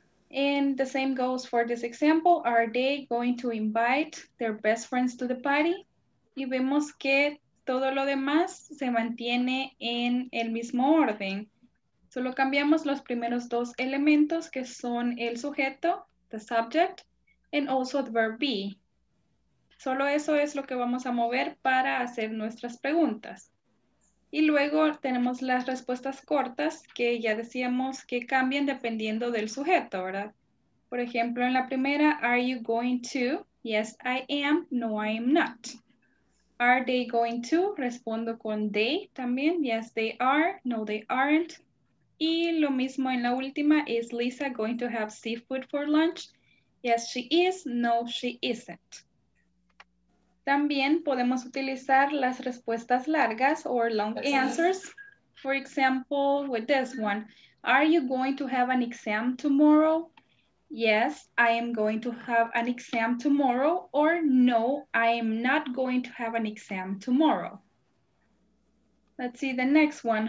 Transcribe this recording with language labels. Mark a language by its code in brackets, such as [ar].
[en] And the same goes for this example, are they going to invite their best friends to the party? [es] Y vemos que todo lo demás se mantiene en el mismo orden. Solo cambiamos los primeros dos elementos que son el sujeto, [en] the subject, and also the verb be. [es] Solo eso es lo que vamos a mover para hacer nuestras preguntas. Y luego tenemos las respuestas cortas que ya decíamos que cambian dependiendo del sujeto, ¿verdad? Por ejemplo, en la primera, [en] are you going to? Yes, I am. No, I am not. Are they going to? [es] Respondo con they también. [en] Yes, they are. No, they aren't. [es] Y lo mismo en la última, [en] is Lisa going to have seafood for lunch? Yes, she is. No, she isn't. [es] También podemos utilizar las respuestas largas [en] or long answers. For example, with this one, are you going to have an exam tomorrow? Yes, I am going to have an exam tomorrow. Or no, I am not going to have an exam tomorrow. Let's see the next one.